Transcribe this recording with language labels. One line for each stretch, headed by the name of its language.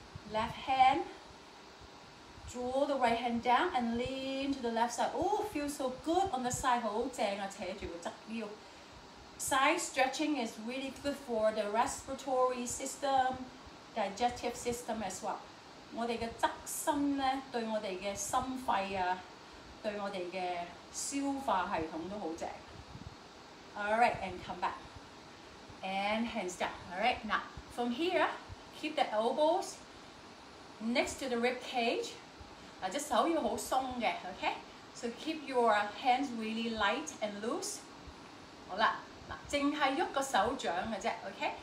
English: Left hand, draw the right hand down and lean to the left side. Oh, feels so good on the side.
Cantonese: 好正啊,扯住個側腰.
English: Side stretching is really good for the respiratory system, digestive system as well.
Cantonese: 我們的側心呢,對我們的心肺啊,對我們的消化系統都好正.
English: Alright, and come back. And hands down. Alright, now from here, keep the elbows next to the rib cage.
Cantonese: 手要很鬆的, okay?
English: So keep your hands really light and loose.
Cantonese: 好了,只是動手掌而已, okay?